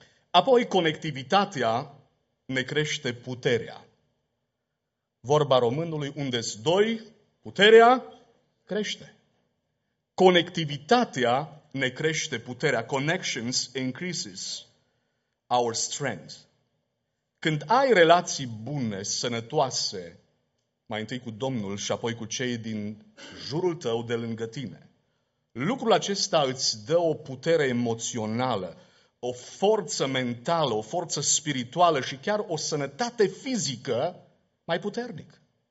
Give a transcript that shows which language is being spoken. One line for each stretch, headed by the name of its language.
Romanian: Apoi, conectivitatea ne crește puterea. Vorba românului, unde-s doi, puterea crește. Conectivitatea ne crește puterea.
English: Connections increases our strength.
Romanian: Când ai relații bune, sănătoase, mai întâi cu Domnul și apoi cu cei din jurul tău, de lângă tine, lucrul acesta îți dă o putere emoțională, o forță mentală, o forță spirituală și chiar o sănătate fizică mai puternic.